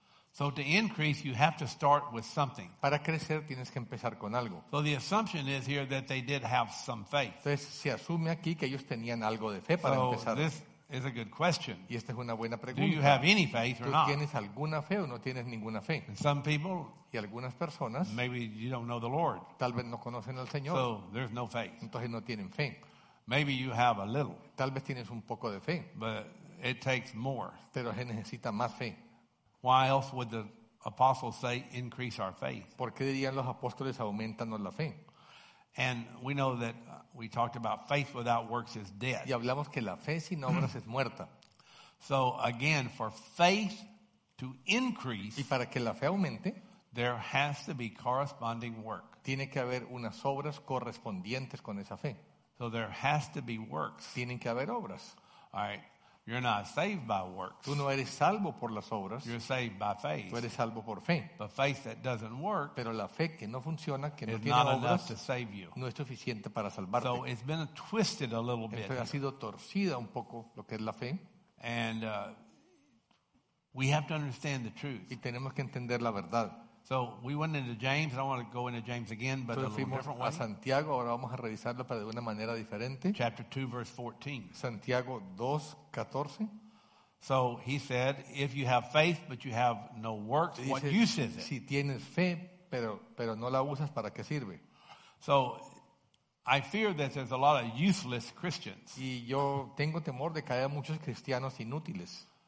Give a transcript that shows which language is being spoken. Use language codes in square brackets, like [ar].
[en] So to increase, you have to start with something. [es] Para crecer, tienes que empezar con algo. [en] So the assumption is here that they did have some faith. [es] Entonces, se asume aquí que ellos tenían algo de fe para [en] so [es] empezar. [en] This is a good question. [es] Y esta es una buena pregunta. [en] Do you have any faith or not? [es] ¿Tú tienes alguna fe o no tienes ninguna fe? [en] And some people, [es] y algunas personas, [en] maybe you don't know the Lord. [es] Tal vez no conocen al Señor. [en] So there's no faith. [es] Entonces no tienen fe. [en] Maybe you have a little. [es] Tal vez tienes un poco de fe. [en] But it takes more. [es] Pero se necesita más fe. [en] Why else would the apostles say increase our faith? [es] ¿Por qué dirían los apóstoles aumentanos la fe? [en] And we know that we talked about faith without works is dead. [es] Y hablamos que la fe sin obras es muerta. [en] So again, for faith to increase, [es] y para que la fe aumente, [en] there has to be corresponding work. [es] Tiene que haber unas obras correspondientes con esa fe. [en] So there has to be works. [es] Tienen que haber obras. [en] All right. You're not saved by works. [es] Tú no eres salvo por las obras. [en] You're saved by faith. [es] Tú eres salvo por fe. [en] But faith that doesn't work, [es] pero la fe que no funciona, que no tiene [en] not [es] obras, [en] enough to save you. [es] No es suficiente para salvarte. [en] So it's been twisted a little bit. [es] Entonces, ha sido torcida un poco lo que es la fe. [en] And we have to understand the truth. Y tenemos que entender la verdad. So we went into James. I don't want to go into James again, but [es] entonces, [en] a little different way. Santiago. [es] Ahora vamos a revisarlo, pero de una manera diferente. [en] Chapter 2, verse 14. [es] Santiago 2, 14. [en] So he said, if you have faith, but you have no works, [es] dice, [en] what use is it? [es] Si tienes fe, pero no la usas, ¿para qué sirve? [en] So I fear that there's a lot of useless Christians. [es] Y yo tengo temor de que haya muchos cristianos inútiles.